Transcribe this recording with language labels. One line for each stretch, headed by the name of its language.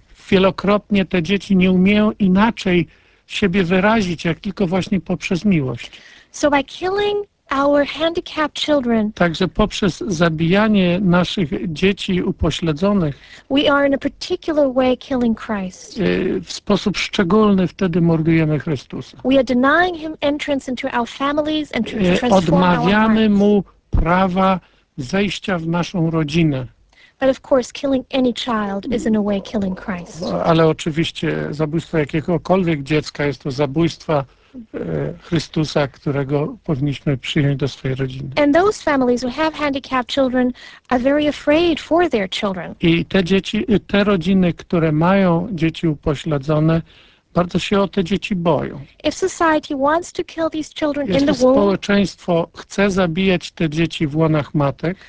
Polish: Wielokrotnie te dzieci nie umieją inaczej siebie wyrazić, jak tylko właśnie poprzez miłość.
English: So by killing our handicapped children.
Polish: Także poprzez zabijanie naszych dzieci upośledzonych,
English: we are in a particular way killing Christ.
Polish: W sposób szczególny wtedy mordujemy Chrystusa.
English: We are denying him entrance into our families and transform our hearts.
Polish: Odmawiamy mu prawa zejścia w naszą rodzinę.
English: But of course, killing any child is in a way killing Christ.
Polish: Ale oczywiście zabójstwo jakiegokolwiek dziecka jest to zabójstwo Chrystusa, którego powinniśmy przyjąć do swojej rodziny.
English: And those families who have handicapped children are very afraid for their children.
Polish: I te dzieci, te rodziny, które mają dzieci upośledzone, bardzo się o te dzieci boją.
English: If society wants to kill these children in the womb,
Polish: jeśli społeczeństwo chce zabijać te dzieci w łonach matek,